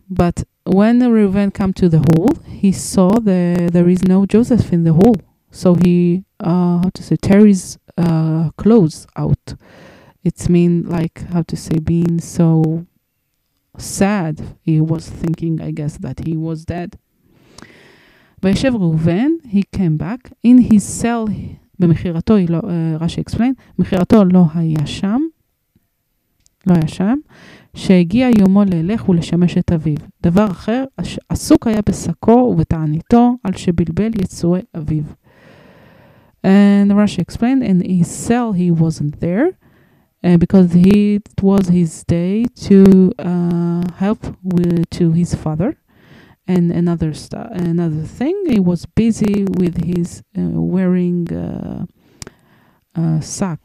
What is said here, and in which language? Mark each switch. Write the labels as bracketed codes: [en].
[en] But when Reuven came to the hole, he saw that there is no Joseph in the hole, so he tear his clothes out. It's mean like being so sad. He was thinking, I guess, that he was dead. [he] וישב ראובן, [en] he came back in his cell. [he] במחירתו, [en] רשי אקספלין, [he] מחירתו לא היה שם, שהגיע יומו ללך ולשמש את אביו. דבר אחר, עסוק היה בסקו ובתעניתו על שבלבל יצועי אביו. [en] And רשי אקספלין, in his cell he wasn't there. Because it was his day to help to his father, and another thing, he was busy with his wearing sack.